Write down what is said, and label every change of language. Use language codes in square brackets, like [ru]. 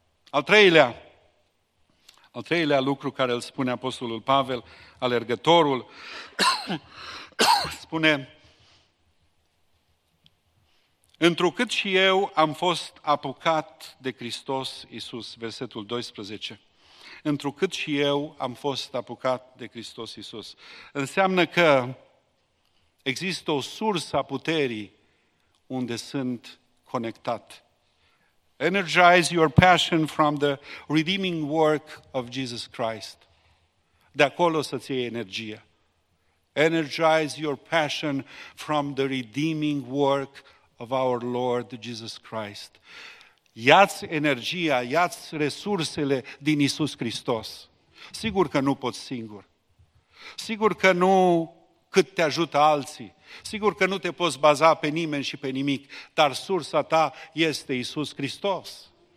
[ro] Al treilea lucru care îl spune Apostolul Pavel, alergătorul, spune: întrucât și eu am fost apucat de Hristos Iisus, versetul 12. Întrucât și eu am fost apucat de Hristos Iisus. Înseamnă că există o sursă a puterii unde sunt conectat. [en] Energize your passion from the redeeming work of Jesus Christ. [ro] De acolo să-ți iei energia. [en] Energize your passion from the redeeming work of our Lord Jesus Christ. [ro] Ia-ți energia, ia-ți resursele din Iisus Hristos. Sigur că nu poți singur. Sigur că nu cât te ajută alții. Sigur că nu te poți baza pe nimeni și pe nimic, dar sursa ta este Iisus Hristos.